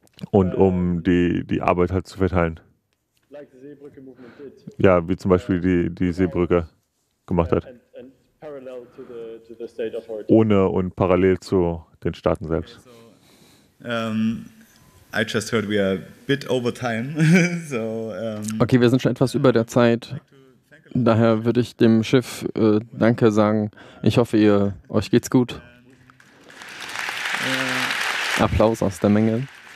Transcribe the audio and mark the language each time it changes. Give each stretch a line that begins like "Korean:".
German: Und um die Arbeit halt zu verteilen. Ja, wie zum Beispiel die Seebrücke gemacht hat. Ohne und parallel zu den Staaten selbst.
English: I just heard we are a bit over time. So,
German: okay, wir sind schon etwas über der Zeit. Daher würde ich dem Schiff Danke sagen. Ich hoffe, euch geht's gut. Applaus aus der Menge.